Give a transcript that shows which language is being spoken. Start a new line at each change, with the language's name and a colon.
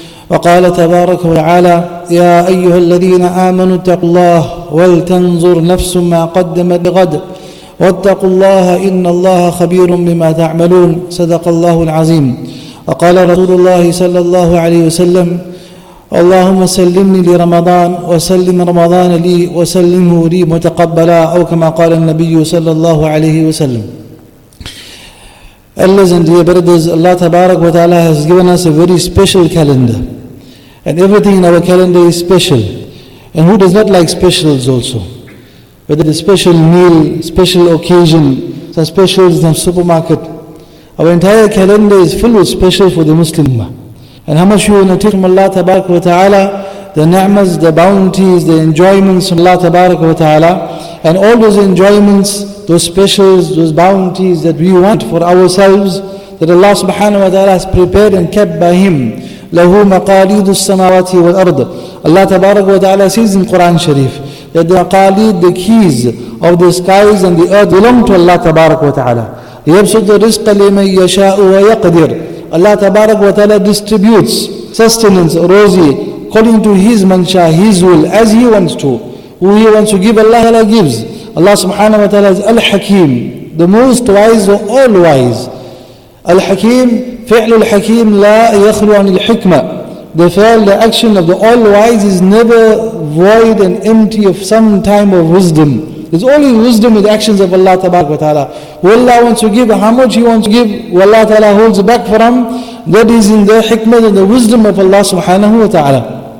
Arabic: وقال تبارك وتعالى يا أيها الذين آمنوا اتقوا الله ولتنظر نفس ما قدمت لغد واتقوا الله إن الله خبير بما تعملون صدق الله العظيم وقال رسول الله صلى الله عليه وسلم اللهم سلمني لرمضان وسلم رمضان لي وسلمه لي متقبلا أو كما قال النبي صلى الله عليه وسلم
English: Allah tabarak wa ta'ala has given us a very special calendar. And everything in our calendar is special. And who does not like specials also? Whether it's a special meal, special occasion, some specials in the supermarket. Our entire calendar is filled with specials for the Muslim. And how much you want to take from Allah tabarak wa ta'ala, the ni'mas, the bounties, the enjoyments from Allah tabarak wa ta'ala, and all those enjoyments, those specials, those bounties that we want for ourselves, that Allah subhanahu wa ta'ala has prepared and kept by Him.
Arabic: لَهُ مَقَالِيدُ السَّمَاوَاتِ وَالْأَرْضِ
English: Allah tabarak wa ta'ala says in Quran Sharif that the maqalid, the keys of the skies and the earth belong to Allah tabarak wa ta'ala.
Arabic: يَبْسُطُ الرِّزْقَ لِمَنْ يَشَاءُ وَيَقْدِرُ
English: Allah tabarak wa ta'ala distributes sustenance, rosy, according to His mansha, His will, as He wants to. Who He wants to give, Allah ta'ala gives. Allah subhanahu wa ta'ala is Al-Hakim, the most wise of all wise.
Arabic: Al-Hakim, فعل الحكيم لا يخلو عن الحكمة.
English: The fail, the action of the all wise is never void and empty of some time of wisdom. It's only wisdom with actions of Allah tabarak wa ta'ala. Who Allah wants to give, how much He wants to give, who Allah ta'ala holds back from, that is in the hikmah and the wisdom of Allah subhanahu wa ta'ala.